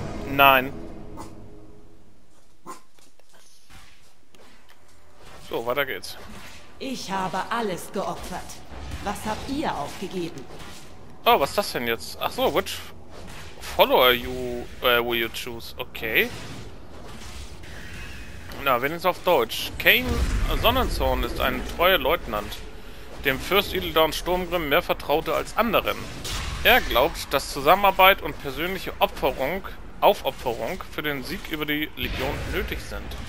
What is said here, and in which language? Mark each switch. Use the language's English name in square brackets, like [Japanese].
[German] Nein. So, weiter geht's. Ich habe alles geopfert. Was habt ihr aufgegeben? Oh, was ist das denn jetzt? Ach so, [English] which follower will you choose? Okay. [German] Na, wenigstens auf Deutsch. Kane Sonnenzorn ist ein treuer Leutnant. Dem Fürst Illidan Sturmgrimm mehr vertraute als anderen. Er glaubt, dass Zusammenarbeit und persönliche Aufopferung für den Sieg über die Legion nötig sind.